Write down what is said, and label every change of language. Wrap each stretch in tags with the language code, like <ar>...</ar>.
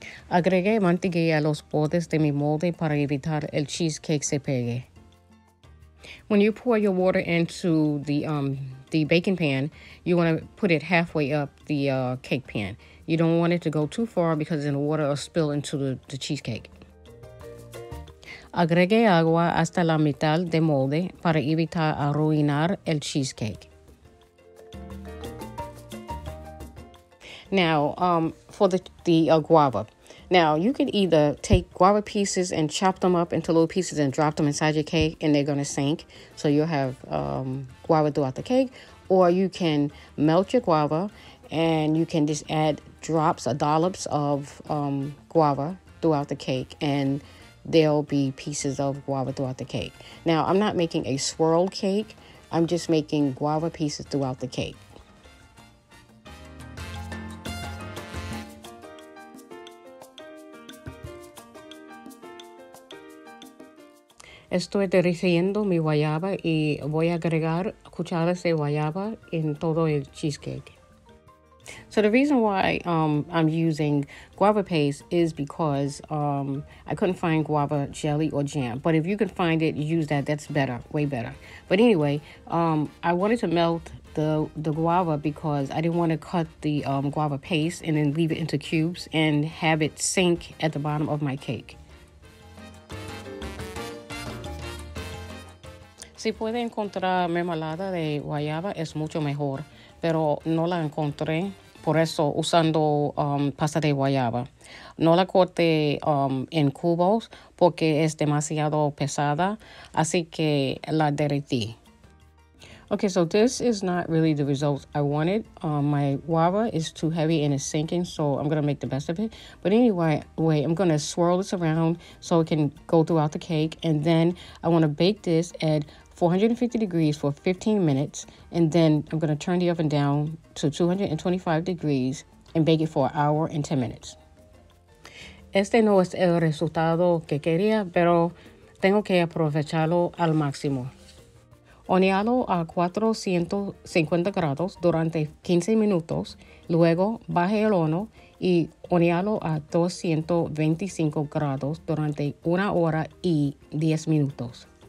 <es>Agregué mantequilla a los bordes de mi molde para evitar el cheesecake se pegue.</es> <en>When you pour your water into the baking pan, you want to put it halfway up the cake pan. You don't want it to go too far because then the water will spill into the cheesecake.</en> <es>Agregué agua hasta la mitad de molde para evitar arruinar el cheesecake.</es> <en>Now, for the guava. Now, you can either take guava pieces and chop them up into little pieces and drop them inside your cake and they're going to sink. So you'll have guava throughout the cake. Or you can melt your guava and you can just add drops or dollops of guava throughout the cake and there'll be pieces of guava throughout the cake. Now, I'm not making a swirl cake. I'm just making guava pieces throughout the cake.</en> <es>Estoy derritiendo mi guayaba y voy a agregar cucharadas de guayaba en todo el cheesecake.</es> <en>So the reason why I'm using guava paste is because I couldn't find guava jelly or jam. But if you can find it, use that. That's better, way better. But anyway, I wanted to melt the guava because I didn't want to cut the guava paste and then leave it into cubes and have it sink at the bottom of my cake.</en> <es>Si puede encontrar mermelada de guayaba es mucho mejor, pero no la encontré, por eso usando pasta de guayaba. No la corté en cubos porque es demasiado pesada, así que la derretí.</es> <en>Okay, so this is not really the result I wanted. My guava is too heavy and it's sinking, so I'm going to make the best of it. But anyway, I'm going to swirl this around so it can go throughout the cake, and then I want to bake this at 450 degrees for 15 minutes, and then I'm going to turn the oven down to 225 degrees and bake it for 1 hour and 10 minutes.</en> <es>Este no es el resultado que quería, pero tengo que aprovecharlo al máximo. Hornealo a 450 grados durante 15 minutos, luego baje el horno y hornealo a 225 grados durante 1 hora y 10 minutos.</es>